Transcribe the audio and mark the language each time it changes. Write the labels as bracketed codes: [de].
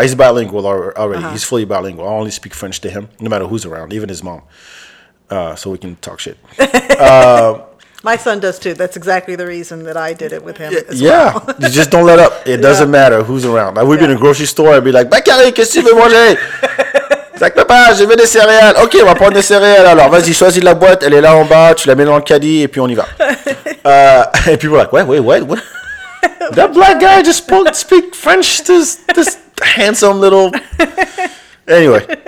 [en] He's bilingual already. Uh-huh. He's fully bilingual. I only speak French to him, no matter who's around, even his mom. So we can talk shit. My son does too. That's exactly the reason that I did it with him. You just don't let up. It doesn't matter who's around. Like, we'd be in a grocery store and be like, Bacari, [fr] qu'est-ce que tu veux manger? Like, papa, je veux des céréales. Ok, on va prendre des céréales. Alors, vas-y, choisis la boîte. Elle est là en bas. Tu la mets dans le caddie et puis on y va. Et puis, [en] we're like, what? That black guy just spoke to speak French to this handsome little. Anyway.